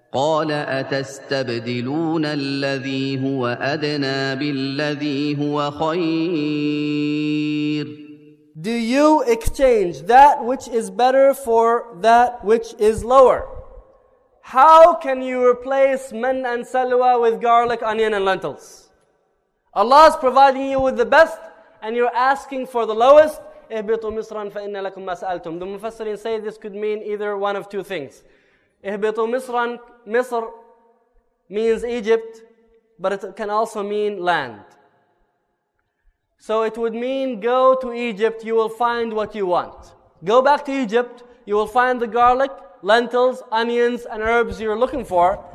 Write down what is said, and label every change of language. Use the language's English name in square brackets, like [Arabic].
[Arabic] قال أتستبدلون الذي هو أدنى بالذي هو خير. [English] Do you exchange that which is better for that which is lower? How can you replace man and salwa with garlic, onion and lentils? Allah is providing you with the best and you're asking for the lowest. [Arabic] اهبطوا مصرا فإن لكم ما سألتم. [English] The Mufassirin say this could mean either one of two things. [Arabic] اهبطوا مصرا, [English] مصر means Egypt, but it can also mean land. So it would mean go to Egypt, you will find what you want. Go back to Egypt, you will find the garlic, lentils, onions and herbs you're looking for,